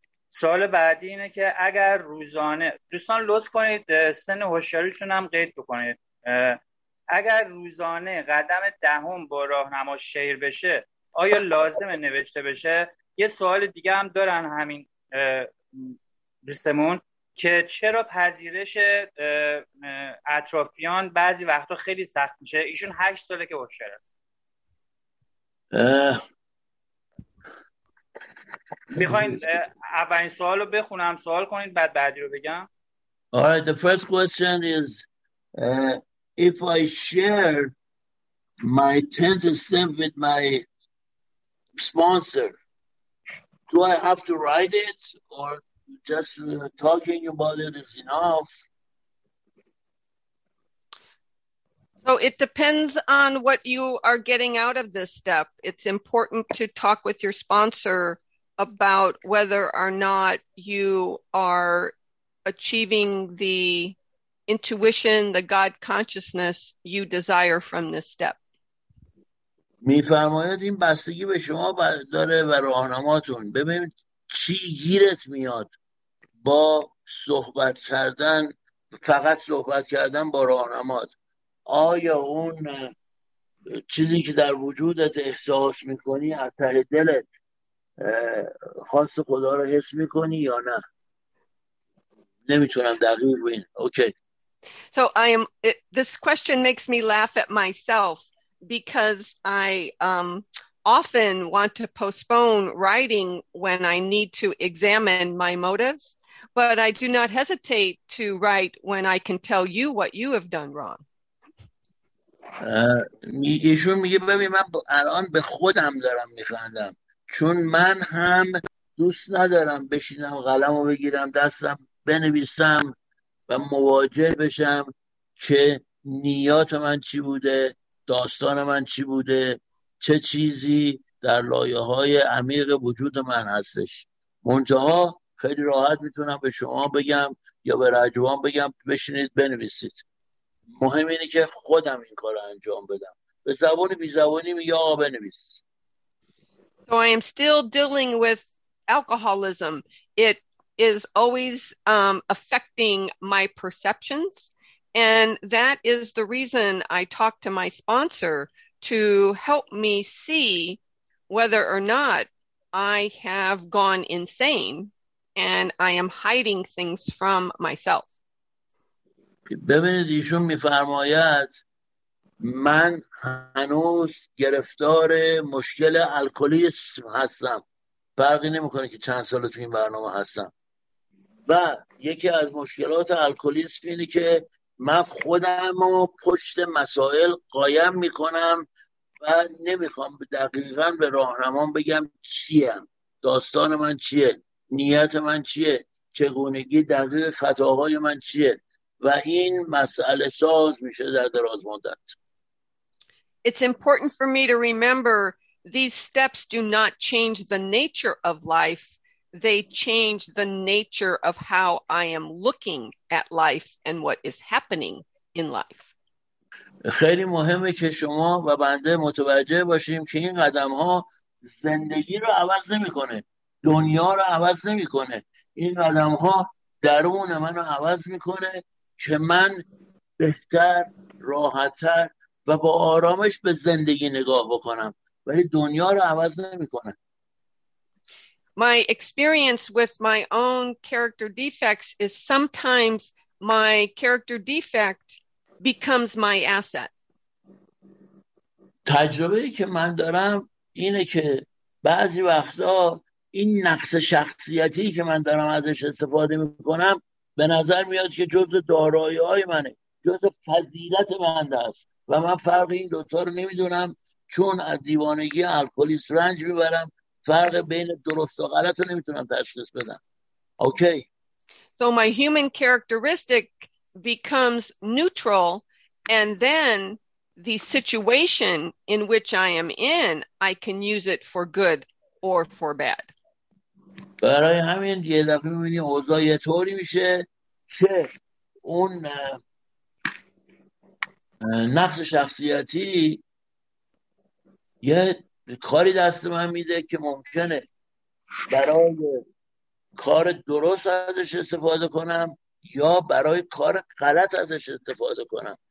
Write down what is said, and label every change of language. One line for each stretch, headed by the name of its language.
Persian: سوال بعدی اینه که اگر روزانه، دوستان لطف کنید سن هوشیاریتون هم قید بکنید، اگر روزانه قدم دهم با راهنما شیر بشه آیا لازمه نوشته بشه؟ یه سوال دیگه هم دارن همین دوستمون که چرا پذیرش اطرافیان بعضی وقتا خیلی سخت میشه؟ ایشون 8 ساله که هوشیاره. میخواین اولین سوال رو بخونم سوال کنید بعد بعدی رو بگم؟
English: Alright, the first question is if I share my 10th stamp with my sponsor, do I have to write it, or just talking about it is enough? So it depends on what you are getting out of this step. It's important to talk with your sponsor about whether or not you are achieving the intuition, the God consciousness you desire from this step.
Persian: می فرماید این بستگی به شما داره و راهنماتون. ببینید چی گیرت میاد با صحبت کردن، فقط صحبت کردن با راهنمات. آیا اون چیزی که در وجودت احساس میکنی از ته دلت خواست خدا رو حس میکنی یا نه؟ نمیتونم دقیق بگم.
English: Okay. So I am this question makes me laugh at myself, because I often want to postpone writing when I need to examine my motives, but I do not hesitate to write when I can tell you what you have done wrong.
Persian: ایشون میگه ببین من الان به خودم دارم میخندم، چون من هم دوست ندارم بشینم قلمو بگیرم دستم بنویسم و مواجه بشم که نیات من چی بوده داستان من چی بوده، چه چیزی در لایه‌های عمیق وجود من هستش. منتها خیلی راحت میتونم به شما بگم یا به رجوان بگم بشینید بنویسید. مهم اینه که خودم این کار رو انجام بدم. به زبان بی زبانی میگه آقا بنویس.
English: So I am still dealing with alcoholism. It is always affecting my perceptions. And that is the reason I talked to my sponsor to help me see whether or not I have gone insane and I am hiding things from myself.
Persian: ببینید ایشون میفرماید من هنوز گرفتار مشکل الکلیسم هستم. فرقی نمیکنه که چند ساله تو این برنامه هستم. و یکی از مشکلات الکلیسم اینه که من خودم رو پشت مسائل قایم میکنم و نمیخوام دقیقا به راهنمان بگم چیم، داستان من چیه، نیت من چیه، چگونگی دقیق خطاهای من چیه، و این مسئله ساز میشه در دراز مدت.
English: It's important for me to remember these steps do not change the nature of life. They change the nature of how I am looking at life and what is happening in life.
Persian: خیلی مهمه که شما و بنده متوجه باشیم که این قدم‌ها زندگی رو عوض نمی‌کنه، دنیا رو عوض نمی‌کنه. این قدم‌ها درون منو عوض می‌کنه که من بهتر، راحت‌تر و با آرامش به زندگی نگاه بکنم، ولی دنیا رو عوض نمی‌کنه.
English: My experience with my own character defects is sometimes my character defect becomes my asset.
Persian: تجربه‌ای که من دارم اینه که بعضی وقتا این نقص شخصیتی که من دارم ازش استفاده می‌کنم به نظر میاد که جزء دارایی‌های منه، جزء فضیلت من است و من فرق این دو تا رو نمی‌دونم، چون از دیوانگی الکلیس رنج می‌برم. فرق بین درست و غلط رو نمیتونم تشخیص بدم.
English: Okay. So my human characteristic becomes neutral and then the situation in which I am in, I can use it for good or for bad.
Persian: برای همین یه دفعه میبینی اوضاع یه طوری میشه که اون نقص شخصیتی یه کاری دست من میده که ممکنه برای کار درست ازش استفاده کنم یا برای کار غلط ازش استفاده کنم.